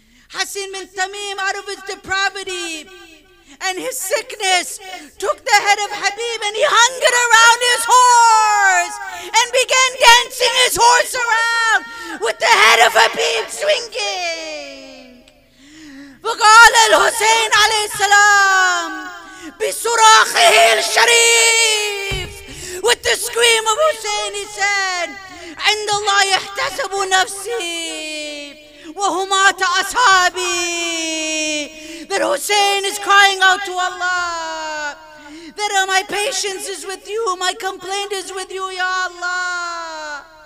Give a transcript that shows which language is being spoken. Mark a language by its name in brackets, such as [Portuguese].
[English] Hassan bin Tamim, out of his depravity and his sickness, took the head of Habib and he hung it around his horse and began dancing his horse around with the head of Habib swinging. [Arabic] وقال الحسين عليه السلام بصراخه الشريف. [English] With the scream of Hussein, he said, [Arabic] عند الله يحتسب نفسي وهما تأصابي. [English] That Hussein is crying out to Allah, that my patience is with you, my complaint is with you, Ya Allah.